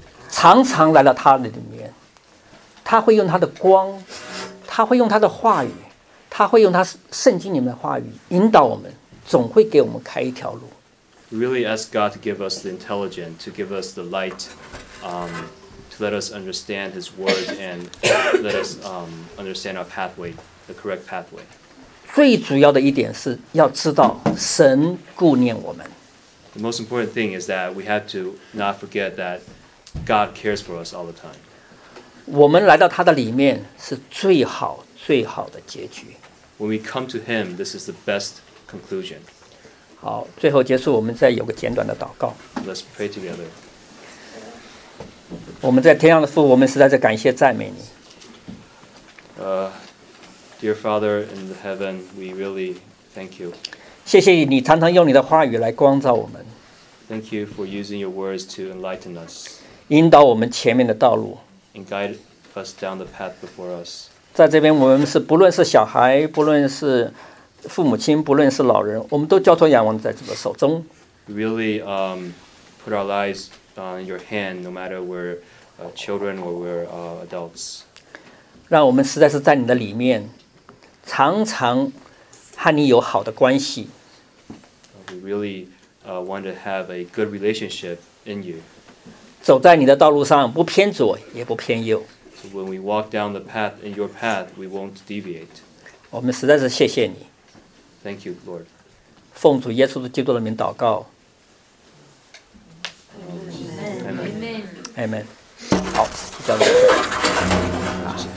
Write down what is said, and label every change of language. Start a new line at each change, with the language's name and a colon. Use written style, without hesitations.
Chinese: 常常来到他的里面，他会用他的光，他会用他的话语，他会用他圣经里面的话语引导我们，总会给我们开一条路。
English: We really ask God to give us the intelligence, to give us the light, to let us understand His word and let us understand our pathway, the correct pathway.
Chinese: 最主要的一点是要知道神顾念我们。
English: The most important thing is that we have to not forget that. God cares for us all the time.
Chinese: 我们来到他的里面是最好最好的结局。
English: When we come to him, this is the best conclusion.
Chinese: 好，最后结束，我们再有个简短的祷告。
English: Let's pray together.
Chinese: 我们在天上的父，我们实在是感谢赞美你。
English: Dear Father in the heaven, we really thank you.
Chinese: 谢谢你常常用你的话语来光照我们。
English: Thank you for using your words to enlighten us.
Chinese: 引导我们前面的道路。
English: And guide us down the path before us.
Chinese: 在这边我们是不论是小孩，不论是父母亲，不论是老人，我们都交托仰望在这个手中。
English: Really, put our lives on your hand, no matter we're children or we're adults.
Chinese: 让我们实在是在你的里面，常常和你有好的关系。
English: We really want to have a good relationship in you.
Chinese: 走在你的道路上，不偏左也不偏右。
English: So when we walk down the path in your path, we won't deviate.
Chinese: 我们实在是谢谢你。
English: Thank you, Lord.
Chinese: 奉主耶稣基督的名祷告。
English: Amen. Amen. Amen. Amen.
Chinese: 好，交给。